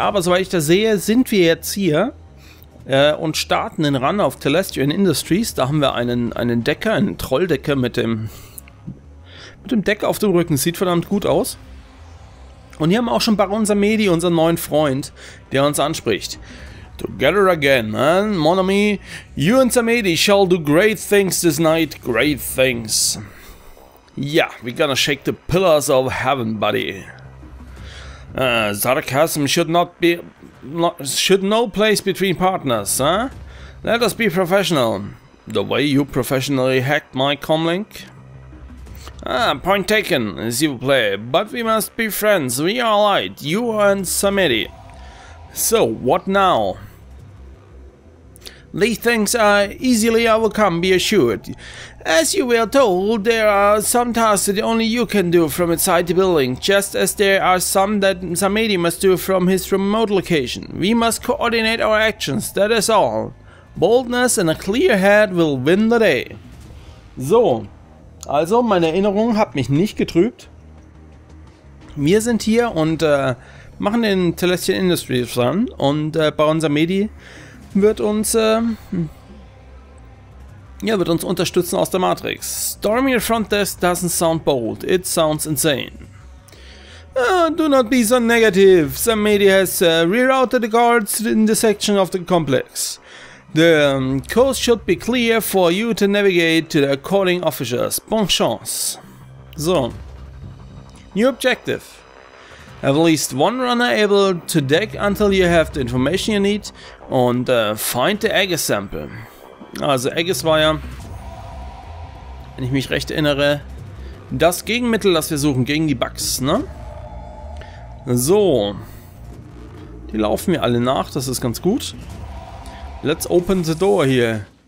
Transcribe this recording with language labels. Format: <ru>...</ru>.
<de>Aber soweit ich das sehe, sind wir jetzt hier und starten den Run auf Telestrian Industries. Da haben wir einen Decker, einen Trolldecker mit dem Deck auf dem Rücken. Sieht verdammt gut aus. Und hier haben wir auch schon Baron Samedi, unseren neuen Freund, der uns anspricht.</de> <en>Together again, man,</en> <fr>mon ami,</fr> <en>you and Samedi shall do great things this night, great things. Yeah, we're gonna shake the pillars of heaven, buddy. Sarcasm should not be... should no place between partners, huh? Let us be professional. The way you professionally hacked my comlink... Ah, point taken, as you play, but we must be friends, we are allied, you and Samedi. So, what now? These things are easily overcome, be assured. As you were told, there are some tasks that only you can do from inside the building, just as there are some that Samedi must do from his remote location. We must coordinate our actions, that is all. Boldness and a clear head will win the day.</en> <de>So. Also, meine Erinnerung hat mich nicht getrübt. Wir sind hier und machen den Telestrian Industries dran. Und Baron Samedi wird uns wird uns unterstützen aus der Matrix.</de> <en>Storming the front desk doesn't sound bold. It sounds insane. Do not be so negative. Samedi has rerouted the guards in the section of the complex. The coast should be clear for you to navigate to the calling officers.</en> <fr>Bon chance.</fr> <en>So. New objective. Have at least one runner able to deck until you have the information you need. And find the Aegis sample.</en> <de>Also Aegis war ja, wenn ich mich recht erinnere, das Gegenmittel, das wir suchen gegen die Bugs, ne? So. Die laufen mir alle nach, das ist ganz gut.</de> <en>Let's open the door here.</en>